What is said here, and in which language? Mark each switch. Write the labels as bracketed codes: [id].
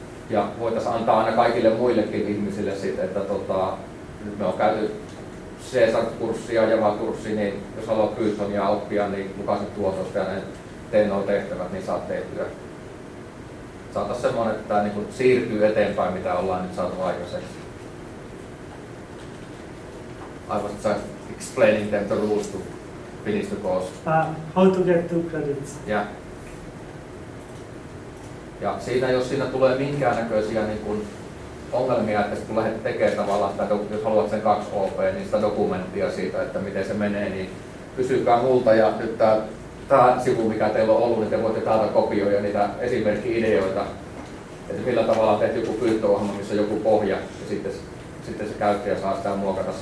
[fi] Ja voitaisiin antaa aina kaikille muillekin ihmisille sitten, että nyt me on käyty CSR-kurssia, Java-kurssia, niin jos haluat Pythonia oppia, niin lukaisin tuotosta ja ne teen noin tehtävät, niin saat tehtyä. Saataisiin semmoinen, että tämä niin siirtyy eteenpäin, mitä ollaan nyt saatu aikaiseksi. [en] I was just explaining them the rules to finish the course. How to get 2 credits? Yeah. [fi] Ja siinä, jos siinä tulee minkäännäköisiä niin kun ongelmia, että kun lähdet tekemään tavallaan, että jos haluat sen 2 OP, niin sitä dokumenttia siitä, että miten se menee, niin kysykää multa. Ja nyt tämä sivu, mikä teillä on ollut, niin te voitte täältä kopioida niitä esimerkki-ideoita, että millä tavalla teet joku pyyntöohjelma, missä joku pohja, ja sitten se käyttäjä saa sitä muokata.